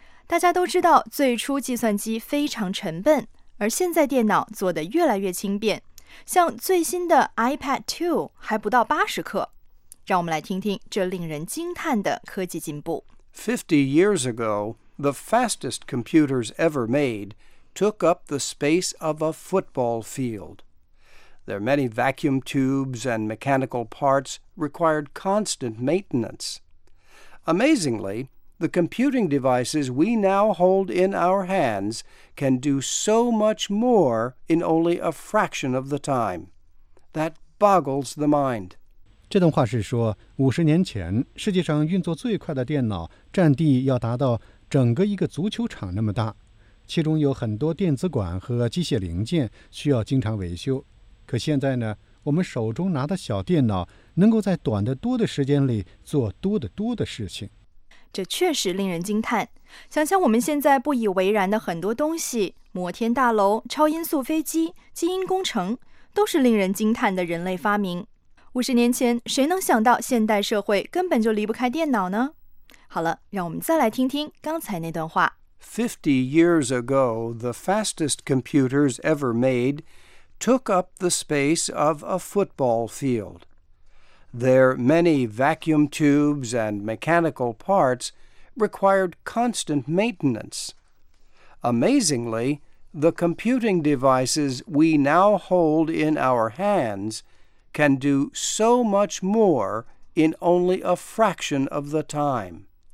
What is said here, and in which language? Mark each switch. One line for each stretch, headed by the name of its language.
Chinese: 大家都知道，最初计算机非常沉笨，而现在电脑做得越来越轻便，像最新的 iPad 2还不到80克。让我们来听听这令人惊叹的科技进步。
English: 50 years ago, the fastest computers ever made. Took up the space of a football field. Their many vacuum tubes and mechanical parts required constant maintenance. Amazingly, the computing devices we now hold in our hands can do so much more in only a fraction of the time. That boggles the mind.
Chinese: 这段话是说，五十年前，世界上运作最快的电脑占地要达到整个一个足球场那么大。其中有很多电子管和机械零件需要经常维修，可现在呢，我们手中拿的小电脑能够在短得多的时间里做多得多的事情。这确实令人惊叹。想想我们现在不以为然的很多东西，摩天大楼、超音速飞机、基因工程，都是令人惊叹的人类发明。五十年前，谁能想到现代社会根本就离不开电脑呢？好了，让我们再来听听刚才那段话。
English: 50 years ago, the fastest computers ever made took up the space of a football field. Their many vacuum tubes and mechanical parts required constant maintenance. Amazingly, the computing devices we now hold in our hands can do so much more in only a fraction of the time.